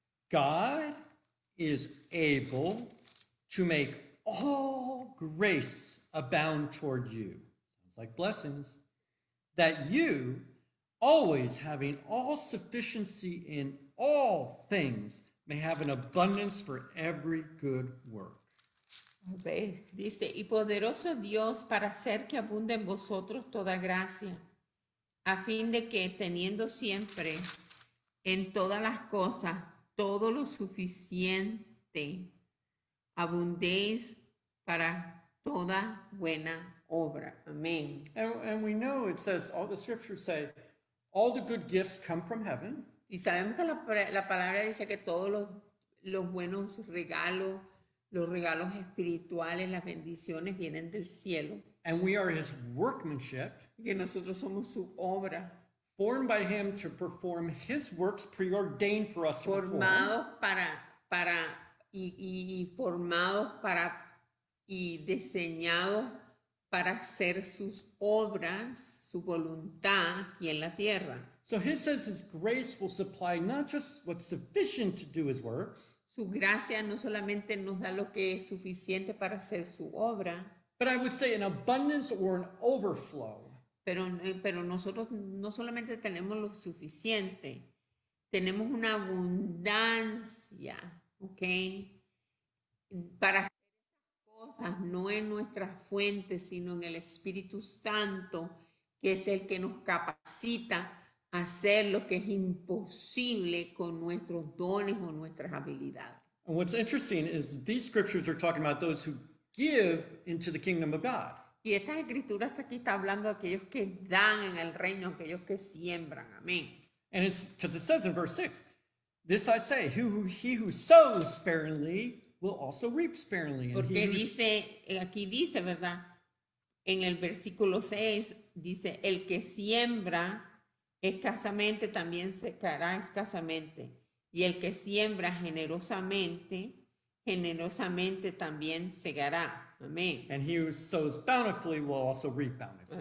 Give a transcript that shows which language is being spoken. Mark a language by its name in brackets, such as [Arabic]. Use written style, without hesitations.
[English] God is able to make all grace abound toward you, sounds like blessings, that you, always having all sufficiency in all things, may have an abundance for every good work. Okay. [Spanish] Dice, y poderoso Dios para hacer que abunde en vosotros toda gracia, a fin de que teniendo siempre en todas las cosas todo lo suficiente, abundéis para toda buena obra. Amén. [English] And we know it says, all the scriptures say, all the good gifts come from heaven. [Spanish] Y sabemos que la palabra dice que todos los buenos regalos, los regalos espirituales, las bendiciones vienen del cielo. [English] And we are his workmanship. [Spanish] Y que nosotros somos su obra. [English] Formed by him to perform his works preordained for us to perform. [Spanish] Formados para y formados para y diseñados para hacer sus obras, su voluntad aquí en la tierra. [English] So he says his grace will supply not just what's sufficient to do his works. [Spanish] Su gracia no solamente nos da lo que es suficiente para hacer su obra. [English] But I would say an abundance or an overflow. [Spanish] Pero nosotros no solamente tenemos lo suficiente, tenemos una abundancia, ¿ok? Para hacer esas cosas, no en nuestras fuentes, sino en el Espíritu Santo, que es el que nos capacita a hacer lo que es imposible con nuestros dones o nuestras habilidades. [English] And what's interesting is these scriptures are talking about those who give into the kingdom of God. [Spanish] Y esta escritura hasta aquí está hablando de aquellos que dan en el reino, aquellos que siembran. Amén. [English] And it's because it says in verse 6, this I say, he who sows sparingly will also reap sparingly. And [Spanish] porque [English] he [Spanish] dice, aquí dice, ¿verdad? En el versículo 6, dice, el que siembra escasamente también secará escasamente. Y el que siembra generosamente, generosamente también segará. [English] Amen. And he who sows bountifully will also reap bountifully.